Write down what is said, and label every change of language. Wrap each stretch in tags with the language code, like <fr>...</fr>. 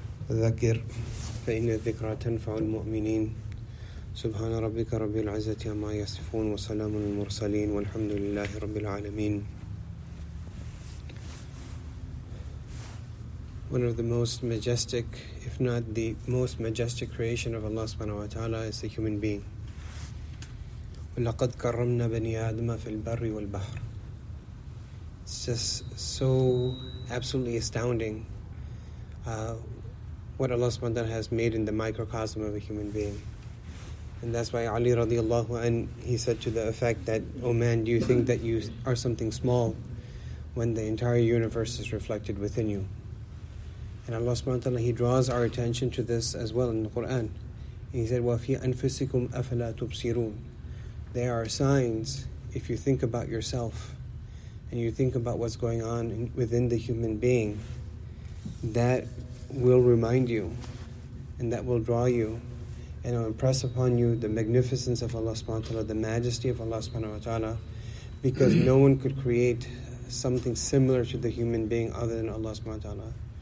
<ar>ذكر فإن الذكرى تنفع المؤمنين سبحان ربك رب العزة عما يصفون وسلام المرسلين والحمد لله رب العالمين.</ar> <en>One of the most majestic, if not the most majestic creation of Allah subhanahu wa ta'ala is the human being.</en> <ar>لَقَدْ كَرَّمْنَا بَنِي آدْمَ فِي الْبَرِّ وَالْبَحْرِ.</ar> <en>It's just so absolutely astounding what Allah subhanahu wa ta'ala has made in the microcosm of a human being. And that's why Ali radiallahu anhu, he said to the effect that, oh man, do you think that you are something small when the entire universe is reflected within you? And Allah subhanahu wa ta'ala, he draws our attention to this as well in the Qur'an. He said,</en> <ar>وَفِي أَنفُسِكُمْ أَفَلَا تُبْصِرُونَ.</ar> <en>There are signs, if you think about yourself and you think about what's going on within the human being, that will remind you and that will draw you and will impress upon you the magnificence of Allah subhanahu wa ta'ala, the majesty of Allah subhanahu wa ta'ala, because no one could create something similar to the human being other than Allah subhanahu wa ta'ala.</en>